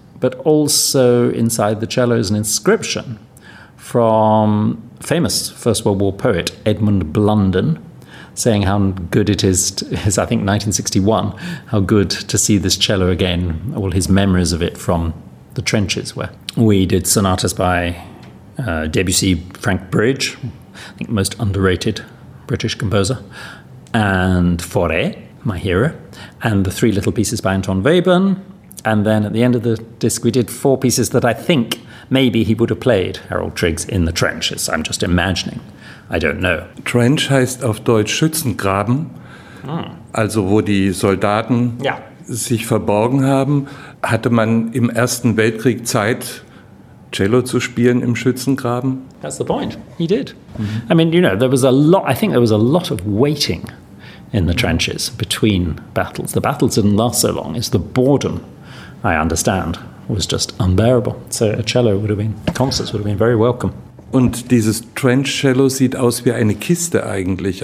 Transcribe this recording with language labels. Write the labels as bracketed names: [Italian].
[English] But also inside the cello is an inscription from famous First World War poet Edmund Blunden, saying how good it is, I think 1961, how good to see this cello again, all his memories of it from the trenches where we did sonatas by Debussy, Frank Bridge, I think most underrated British composer, and Fauré, my hero, and the three little pieces by Anton Webern. And then at the end of the disc, we did four pieces that I think maybe he would have played, Harold Triggs, in the trenches. I'm just imagining. I don't know. [German] Trench heißt auf Deutsch Schützengraben, also wo die Soldaten sich verborgen haben. Hatte man im Ersten Weltkrieg Zeit, Cello zu spielen im Schützengraben? [English] That's the point. He did. Mm-hmm. I mean, you know, there was a lot, I think there was a lot of waiting in the trenches between battles. The battles didn't last so long. It's the boredom, I understand, was just unbearable. So a cello would have been, concerts would have been very welcome. [German] Und dieses Trench Cello sieht aus wie eine Kiste eigentlich.